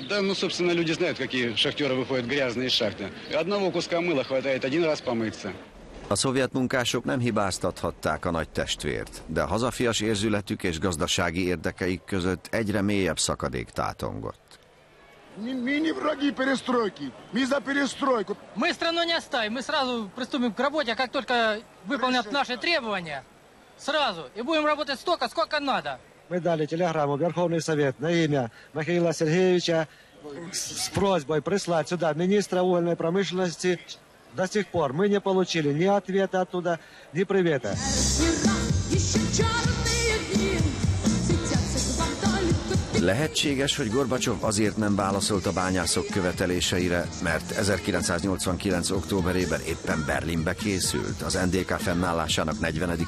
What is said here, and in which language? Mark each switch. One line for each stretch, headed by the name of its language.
Russian: Да, ну, собственно, люди знают, какие шахтеры выходят грязные из шахты. Одного куска мыла хватает один раз помыться.
Hungarian: A szovjet munkások nem hibáztathatták a nagy testvért, de a hazafias érzületük és gazdasági érdekeik között egyre mélyebb szakadék tátongott.
Russian: Мы не враги перестройки, мы за перестройку. Мы страну не оставим, мы сразу приступим к работе, как только выполнят наши требования. Сразу. И будем работать столько, сколько надо. Мы дали телеграмму в Верховный Совет на имя Михаила Сергеевича с просьбой прислать сюда министра угольной промышленности. До сих пор мы не получили ни ответа оттуда, ни привета.
Hungarian: Lehetséges, hogy Gorbacsov azért nem válaszolt a bányászok követeléseire, mert 1989. októberében éppen Berlinbe készült, az NDK fennállásának 40.